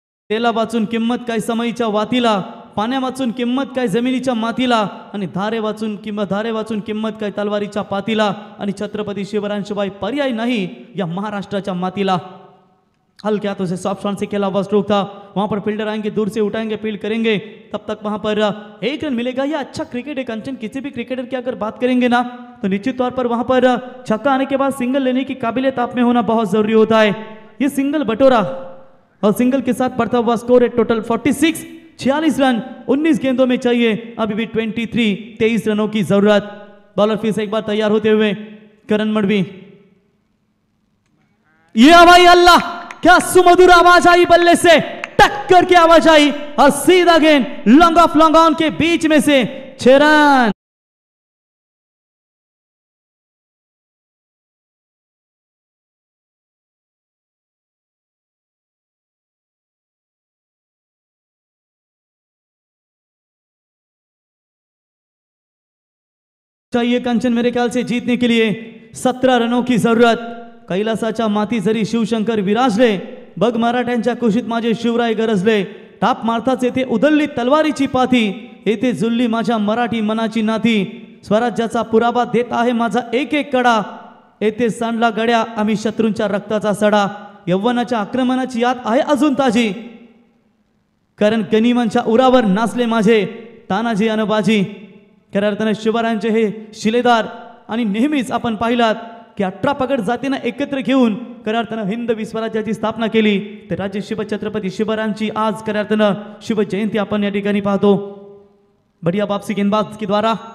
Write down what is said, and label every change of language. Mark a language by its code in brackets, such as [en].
[mr] तेला वाचून किंमत काय समयीच्या वातीला, पाण्या वाचून किंमत काय जमिनीच्या मातीला, आणि धारे वाचून किंमत काय तलवारीच्या पातीला, आणि छत्रपती शिवरांशुभाई पर्याय नाही या महाराष्ट्राच्या मातीला। [hi] हलक्या तो सॉफ्ट शॉट से खेला हुआ स्ट्रोक था, वहां पर फील्डर आएंगे दूर से उठाएंगे फील्ड करेंगे, तब तक वहां पर एक रन मिलेगा। यह अच्छा क्रिकेट है कंचन, किसी भी क्रिकेटर की अगर बात करेंगे ना तो निश्चित तौर पर वहां पर छक्का आने के बाद सिंगल लेने की काबिलियत आप में होना बहुत जरूरी होता है। यह सिंगल बटोरा और सिंगल के साथ बढ़ता हुआ स्कोर है टोटल 46। 46 रन 19 गेंदों में चाहिए, अभी भी 23 रनों की जरूरत। बॉलर फिर से एक बार तैयार होते हुए करण मडवी, ये भाई अल्लाह क्या सुमधुर आवाज आई बल्ले से, टक्कर की आवाज आई और सीधा गेंद लॉन्ग ऑफ लॉन्ग ऑन के बीच में से 6 रन। चाहिए कंचन मेरे ख्याल से जीतने के लिए 17 रनों की जरूरत। [mr] कैलासाच्या माती जरी शिवशंकर विराजले, बग मराठ्यांच्या कुशीत माझे शिवराय गरजले, टाप मारताच येथे उदळली तलवारीची पाथी, येथे झुलली माझ्या मराठी मनाची नाती, स्वराज्याचा पुरावा देत आहे माझा एक एक कडा, येथे सांडला गड्या आम्ही शत्रूंच्या रक्ताचा सडा यवनाच्या आक्रमणाची याद आहे अजून ताजी कारण गनिमांच्या उरावर नाचले माझे तानाजी आणि बाजी खऱ्यार्थाने शिवारांचे हे शिलेदार आणि नेहमीच आपण पाहिलात की 18 पगड जातींना एकत्र घेऊन खऱ्यार्थाने हिंद विश्वराज्याची स्थापना केली तर राजे शिवछत्रपती शिवरायांची आज खऱ्यार्थाने शिवजयंती आपण या ठिकाणी पाहतो [hi] बढिया वापसी गेंदबाज की द्वारा